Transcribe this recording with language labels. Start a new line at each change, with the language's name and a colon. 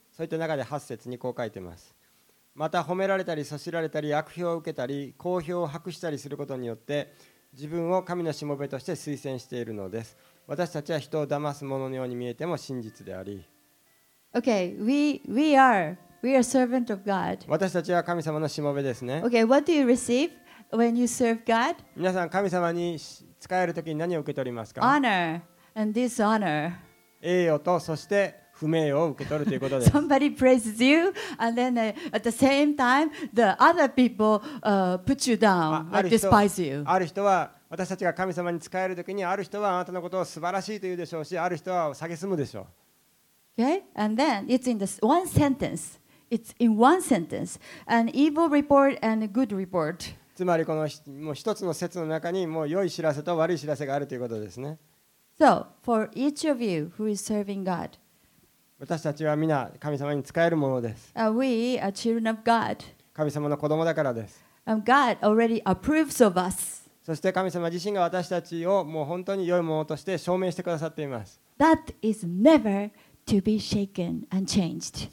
Japanese: そういった中で8節にこう書いてます。また褒められたり、そしられたり、悪評を受けたり、好評を博したりすることによって自分を神のしもべとして推薦しているのです。私たちは人を騙すもののように見えても真実であり。
English: Okay, we are servant of God.
Japanese: 私たちは神様のしもべですね。
English: Okay, what do you receive when you serve God?
Japanese: 皆さん神様に仕えるときに何を受け取りますか?
English: Honor and dishonor.
Japanese: 栄誉とそして不名誉を受け取るということです。
English: Somebody praises you, and then at the same time, the other people put you down or despise you.
Japanese: ある人は私たちが神様に仕えるときに、ある人はあなたのことを素晴らしいと言うでしょうし、ある人は蔑むでしょう。
English: Okay, and then it's in this one sentence. It's in one sentence. An evil report and a good report.
Japanese: つまりこのもう一つの説の中にもう良い知らせと悪い知らせがあるということですね。
English: So for each of you who is serving God,
Japanese: 私たちは皆神様に仕えるものです。
English: We are children of God.
Japanese: 神様の子供だからです。
English: God already approves of us.
Japanese: そして神様自身が私たちをもう本当に良いものとして証明してくださっています。
English: That is never. To be shaken and changed.